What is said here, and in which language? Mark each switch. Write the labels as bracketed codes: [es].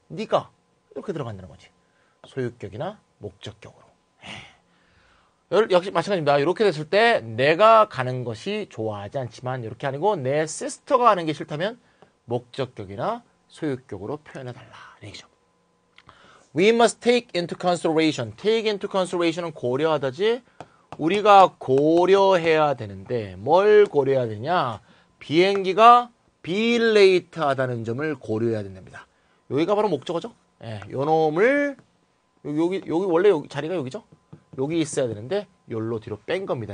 [ko] 네가 이렇게 들어간다는 거지. 소유격이나 목적격으로. 역시 마찬가지입니다. 이렇게 됐을 때 내가 가는 것이 좋아하지 않지만 이렇게 아니고 내 시스터가 가는 게 싫다면 목적격이나 소유격으로 표현해달라. 얘기죠. [en] We must take into consideration. Take into consideration은 [ko] 고려하다지. 우리가 고려해야 되는데 뭘 고려해야 되냐. 비행기가 be late하다는 점을 고려해야 된답니다. 여기가 바로 목적어죠. 예, 요 놈을 여기 원래 여기 자리가 여기죠. 여기 있어야 되는데 열로 뒤로 뺀 겁니다.